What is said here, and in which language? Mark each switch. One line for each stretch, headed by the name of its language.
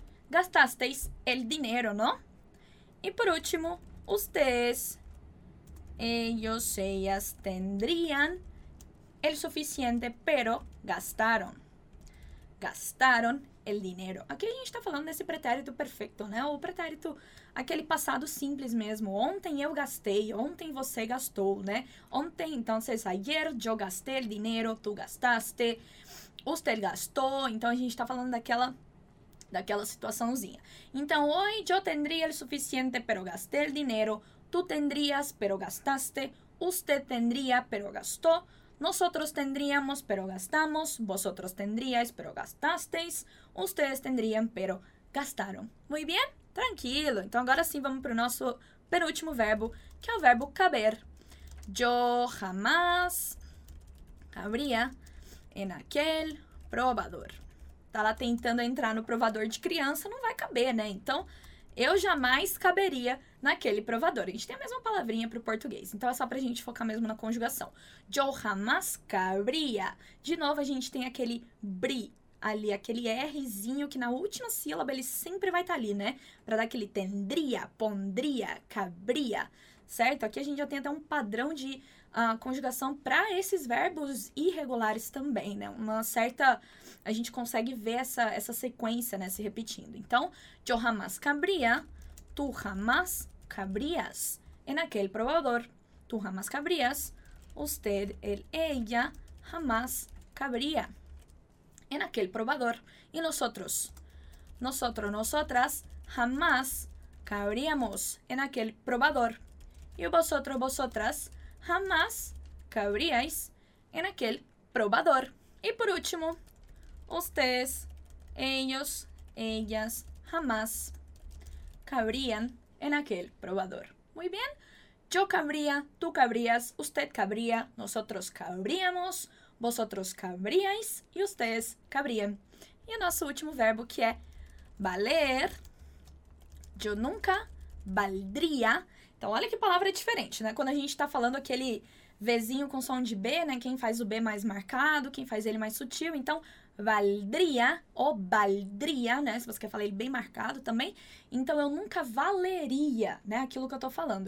Spanish: Gastasteis el dinero, ¿no? Y por último, ustedes, ellos, ellas tendrían el suficiente, pero gastaron. Gastaron el dinero.
Portuguese: Aqui a gente está falando desse pretérito perfeito, né? O pretérito, aquele passado simples mesmo. Ontem eu gastei, ontem você gastou, né? Ontem, então,
Spanish: ayer yo gasté el dinero, tú gastaste, usted gastó.
Portuguese: Então, a gente está falando daquela situaçãozinha.
Spanish: Então, hoy yo tendría el suficiente, pero gasté el dinero. Tú tendrías, pero gastaste. Usted tendría, pero gastó. Nosotros tendríamos, pero gastamos. Vosotros tendríais, pero gastasteis. Ustedes tendrían, pero gastaron. Muy bien, tranquilo.
Portuguese: Então, agora sim, vamos para o nosso penúltimo verbo, que é o verbo caber.
Spanish: Yo jamás cabría en aquel probador.
Portuguese: Tá lá tentando entrar no provador de criança, não vai caber, né? Então, eu jamais caberia naquele provador. A gente tem a mesma palavrinha para o português. Então, é só para a gente focar mesmo na conjugação.
Spanish: Yo jamás cabría.
Portuguese: De novo, a gente tem aquele bri ali, aquele Rzinho que na última sílaba ele sempre vai estar ali, né? Para dar aquele tendria, pondria, cabría. Certo? Aqui a gente já tem até um padrão de conjugação para esses verbos irregulares também, né? Uma certa, a gente consegue ver essa sequência, né, se repetindo.
Spanish: Então, yo jamás cabría, tú jamás cabrías en aquel probador. Tú jamás cabrías, usted, él, ella jamás cabría. en aquel probador. Y nosotros, nosotros, nosotras, jamás cabríamos en aquel probador. Y vosotros, vosotras, jamás cabríais en aquel probador. Y por último, ustedes, ellos, ellas, jamás cabrían en aquel probador. Muy bien. Yo cabría, tú cabrías, usted cabría, nosotros cabríamos, vosotros cabríais y ustedes cabrían. Y el nuestro último verbo que es valer. Yo nunca valdría.
Portuguese: Então, olha que palavra diferente, né? Quando a gente está falando aquele Vzinho com som de B, né? Quem faz o B mais marcado, quem faz ele mais sutil. Então, valdria ou valdria, né? Se você quer falar ele bem marcado também. Então, eu nunca valeria, né? Aquilo que eu tô falando.